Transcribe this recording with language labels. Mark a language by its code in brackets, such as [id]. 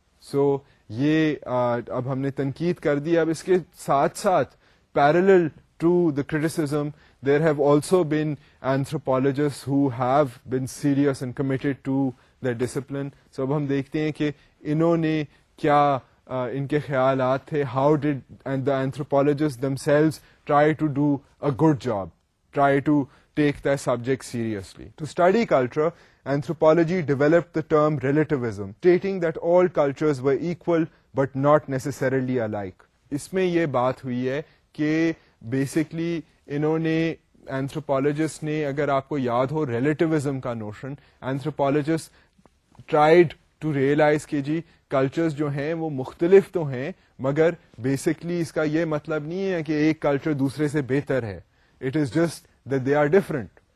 [ur] سو یہ اب ہم نے تنقید کر دی. اب اس کے ساتھ ساتھ [en] Parallel to the criticism there have also been anthropologist who have been serious and committed to the discipline. [ur] سو اب ہم دیکھتے ہیں کہ انہوں نے کیا ان کے خیالات تھے, [en] How did the anthropologist themselves try to do a good job, try to take the subject seriously. To study culture Anthropology developed the term relativism, stating that all cultures were equal but not necessarily alike. [ur] اس میں یہ بات ہوئی ہے کہ basically انہوں نے anthropologists نے اگر آپ کو یاد ہو relativism کا notion, anthropologists tried to realize کہ جی cultures جو ہیں وہ مختلف تو ہیں مگر basically اس کا یہ مطلب نہیں ہے کہ ایک culture دوسرے سے بہتر ہے, [en] it is just that they are different.